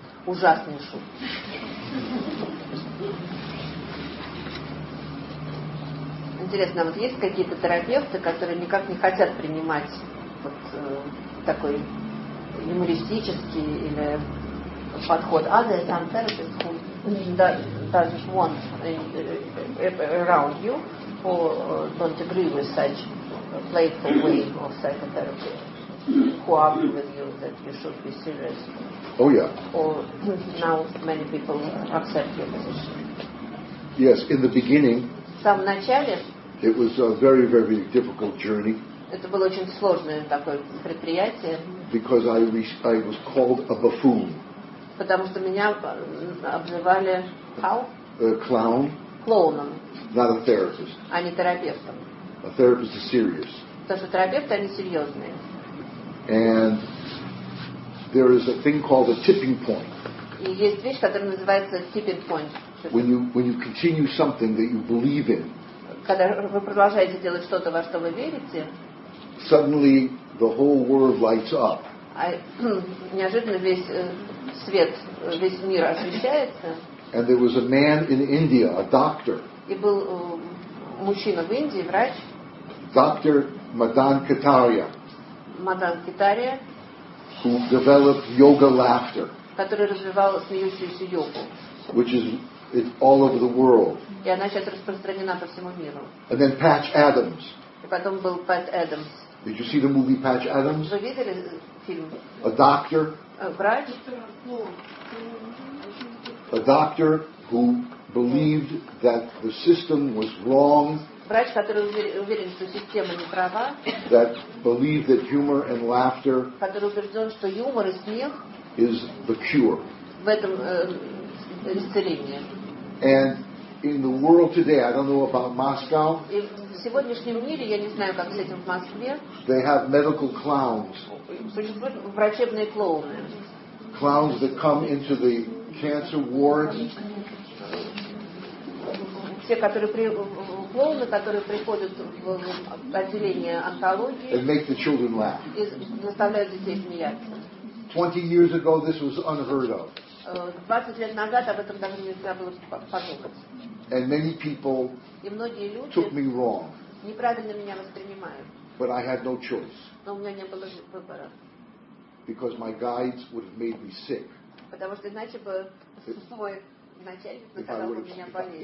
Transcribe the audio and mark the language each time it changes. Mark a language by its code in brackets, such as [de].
[ru] Ужасные шутки. Интересно, вот есть какие-то терапевты, которые никак не хотят принимать вот такой юмористический или подход. [en] Are there some therapists who doesn't want around you or don't agree with such playful way of psychotherapy? Who argue with you that you should be serious? Oh yeah. Or now many people accept your position. Yes, in the beginning. [ru] В самом начале. [en] It was a very, very difficult journey. [ru] Это было очень сложное такое предприятие. [en] Because I was called a buffoon. [ru] Потому что меня обзывали [en] how? A clown. [ru] Клоуном. [en] Not a therapist. [ru] А не терапевтом. [en] A therapist is serious. [ru] Потому что терапевты, они серьезные. [en] And there is a thing called a tipping point. [ru] И есть вещь, которая называется tipping point. [en] When you continue something that you believe in. [ru] Когда вы продолжаете делать что-то, во что вы верите, [en] suddenly the whole world lights up. [ru] Неожиданно весь свет, весь мир освещается. [en] And there was a man in India, a doctor. [ru] И был мужчина в Индии, врач. Доктор Мадан Катария. Мадан Катария. [en] Who developed yoga laughter. [ru] Который развивал смеющуюся йогу. [en] Which is it's all over the world. [ru] И она сейчас распространена по всему миру. [en] And then Patch Adams. [ru] И потом был Пэт Адамс. [en] Did you see the movie Patch Adams? [ru] Вы видели фильм? [en] A doctor. [ru] Врач. [en] A doctor who believed that the system was wrong. [ru] Врач, который уверен, что система не права. [en] That believed that humor and laughter. [ru] Который убежден, что юмор и смех. [en] Is the cure. [ru] В этом исцеление. [en] And in the world today, I don't know about Moscow. [ru] В сегодняшнем мире я не знаю, как с этим в Москве. [en] They have medical clowns. [ru] Существуют врачебные клоуны. [en] Clowns that come into the cancer wards. [ru] Все, которые клоуны, которые приходят в отделение онкологии. [en] And make the children laugh. [ru] И заставляют детей смеяться. [en] 20 years ago, this was unheard of. [ru] 20 лет назад об этом даже нельзя было подумать. [en] And many people [ru] и многие люди [en] took me wrong. [ru] Неправильно меня воспринимают. [en] But I had no choice. [ru] Но у меня не было выбора. [en] Because my guides would have made me sick. [ru] потому что иначе бы мой начальник сказал бы мне болезнь.